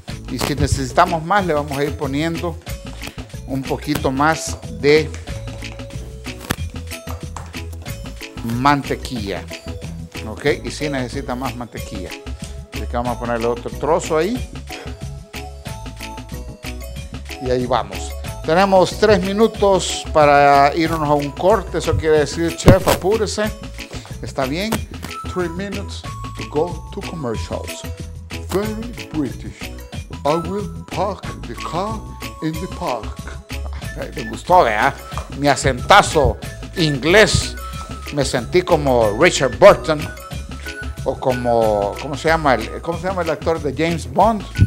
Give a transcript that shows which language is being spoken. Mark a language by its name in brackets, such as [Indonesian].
[Spanish] Y si necesitamos más, le vamos a ir poniendo un poquito más de mantequilla. Ok, y si necesita más mantequilla, así que vamos a ponerle otro trozo ahí. Y ahí vamos. Tenemos 3 minutos para irnos a un corte. Eso quiere decir, chef, apúrese. ¿Está bien? [English] 3 minutes to go to commercials. Very British. I will park the car in the park. [Spanish] Me gustó, ¿verdad? Mi acentazo inglés. Me sentí como Richard Burton. O como, ¿cómo se llama el actor de James Bond?